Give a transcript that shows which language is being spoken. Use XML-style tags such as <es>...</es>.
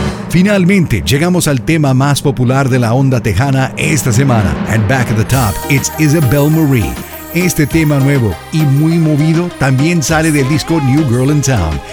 <es>Finalmente, llegamos al tema más popular de la onda tejana esta semana.</es> <en>And back at the top, it's Isabel Marie.</en> <es>Este tema nuevo y muy movido también sale del disco New Girl in Town.</es>